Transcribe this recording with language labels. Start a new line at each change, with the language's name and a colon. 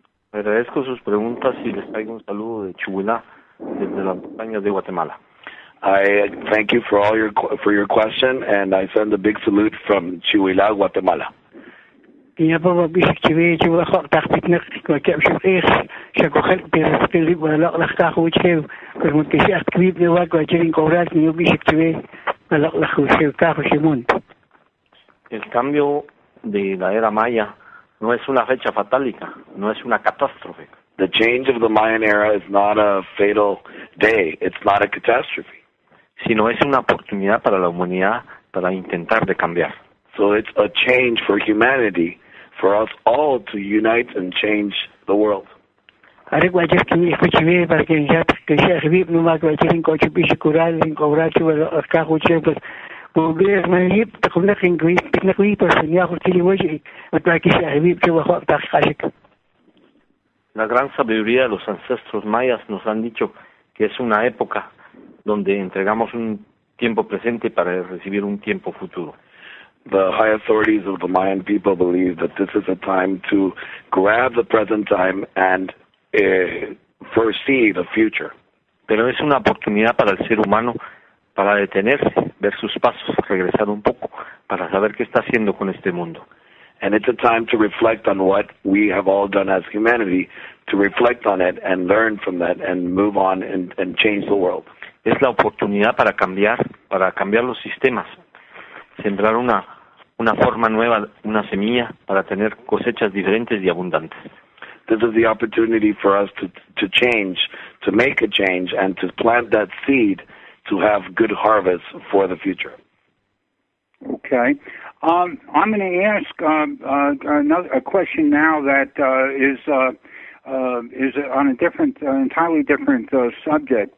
Spanish: Agradezco sus preguntas y les traigo un saludo de Chubilá desde la montaña de Guatemala.
English: I thank you for all your question and I send a big salute from Chubilá, Guatemala.
Spanish: El cambio de la era maya no es una fecha fatálica, no es una catástrofe.
English: The change of the Mayan era is not a fatal day, it's not a catastrophe.
Spanish: sino es una oportunidad para la humanidad para intentar de cambiar.
English: So it's a change for humanity, for us all to unite and change the world.
Spanish: La gran sabiduría de los ancestros mayas nos han dicho que es una época donde entregamos un tiempo presente para recibir un tiempo futuro.
English: The high authorities of the Mayan people believe that this is a time to grab the present time and foresee the future.
Spanish: Pero es una oportunidad para el ser humano para detenerse, ver sus pasos, regresar un poco, para saber qué está haciendo con este mundo.
English: And it's a time to reflect on what we have all done as humanity, to reflect on it and learn from that and move on and change the world.
Spanish: Es la oportunidad para cambiar los sistemas, sembrar una forma nueva, una semilla, para tener cosechas diferentes y abundantes.
English: This is the opportunity for us to change, to make a change, and to plant that seed to have good harvests for the future. Okay. I'm going to ask another question now that is on a different, entirely different subject.